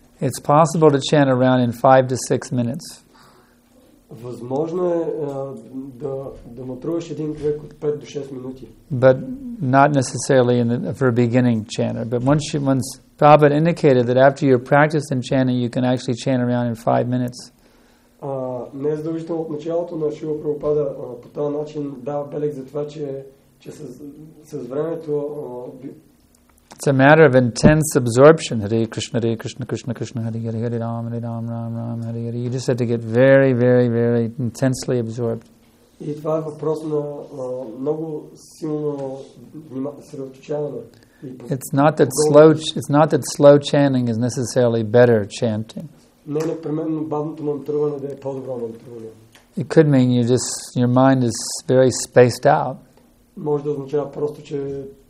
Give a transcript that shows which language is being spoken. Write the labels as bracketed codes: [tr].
[en] It's possible to chant around in 5 to 6 minutes. [bg] Възможно е да мантруваш един кръг от 5 до 6 минути. [en] But not necessarily for a beginning chanter. But once Prabhupada indicated that after you're practiced in chanting, you can actually chant around in 5 minutes. [bg] Не задължително от началото на Шрила Прабхупада по този начин дава белег за това, че с времето. [en] It's a matter of intense absorption. Hare Krishna, Hare Krishna, Krishna Krishna, Hare Hare, Hare Ram, Hare Ram, Ram Ram, Hare Hare. You just have to get very, very, very intensely absorbed. [bg] И това е въпрос на много силно съсредоточаване. [en] It's not that slow chanting is necessarily better chanting. [bg] Не непременно бавното мантруване да е по-добро мантруване. [en] It could mean your mind is very spaced out. [bg] Може да означава просто, че